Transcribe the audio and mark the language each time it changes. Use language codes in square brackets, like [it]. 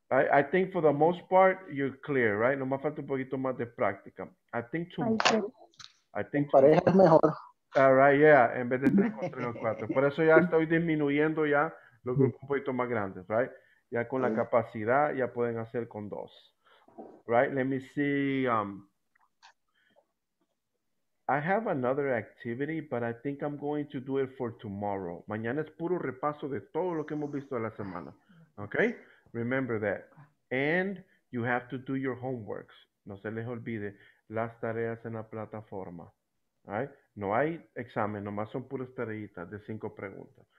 [en] I think for the most part, you're clear, right? [es] No más falta un poquito más de práctica. [en] I think [es] pareja mejor. All right, yeah, en vez de 3, 4. Por eso ya estoy disminuyendo ya los grupos un poquito más grandes, right? Ya con la capacidad ya pueden hacer con 2. [en] Right? Let me see. I have another activity, but I think I'm going to do it for tomorrow. [es] Mañana es puro repaso de todo lo que hemos visto de la semana. [en] Okay? Remember that. And you have to do your homeworks. [es] No se les olvide las tareas en la plataforma. Right? No hay examen, nomás son puras tareitas de 5 preguntas.